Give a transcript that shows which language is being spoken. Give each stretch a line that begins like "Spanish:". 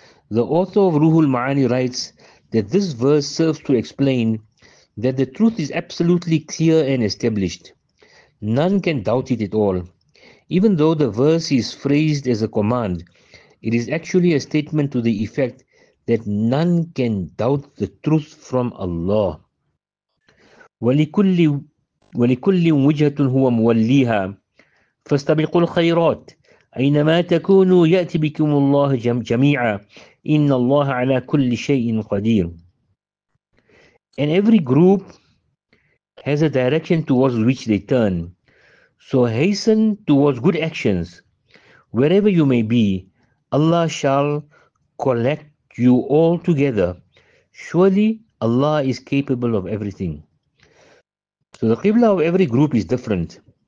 English: The author of Ruhul Ma'ani writes that this verse serves to explain that the truth is absolutely clear and established. None can doubt it at all. Even though the verse is phrased as a command, it is actually a statement to the effect that none can doubt the truth from Allah.
Arabic: وَلِكُلِّ وِجْهَةٌ هُوَ مُوَلِّيهَا فَاسْتَبِقُوا الْخَيْرَاتِ أَيْنَمَا تَكُونُوا يَأْتِ بِكُمُ اللَّهُ جَمِيعًا إِنَّ اللَّهَ عَلَى كُلِّ شَيْءٍ قَدِيرٌ.
English: And every group has a direction towards which they turn. So hasten towards good actions. Wherever you may be, Allah shall collect you all together. Surely Allah is capable of everything. So the Qibla of every group is different.